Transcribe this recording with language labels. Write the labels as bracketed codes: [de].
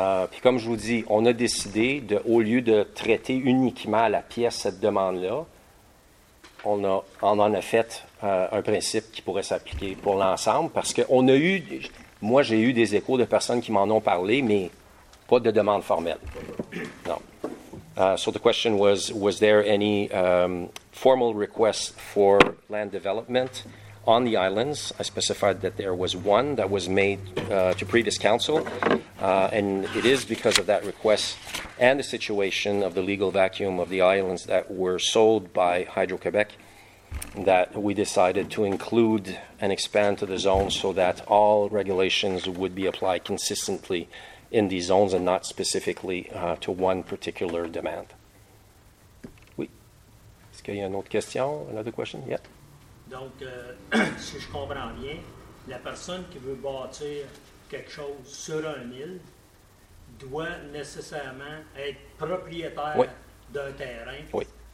[fr] Puis comme je vous dis, on a décidé, au lieu de traiter uniquement la pièce, cette demande-là, on en a fait un principe qui pourrait s'appliquer pour l'ensemble, parce que j'ai eu des échos de personnes qui m'en ont parlé, mais pas de demande formelle. Non. [en] So the question was there any formal request for land development on the islands? I specified that there was one that was made to previous council, and it is because of that request and the situation of the legal vacuum of the islands that were sold by Hydro-Québec that we decided to include and expand to the zone so that all regulations would be applied consistently in these zones and not specifically to one particular demand. [fr] Oui. Est-ce qu'il y a une autre question? [en] Another question? Yeah. [fr] Donc, si je comprends bien, la personne qui veut bâtir quelque chose sur un île doit nécessairement être propriétaire oui. d'un terrain oui.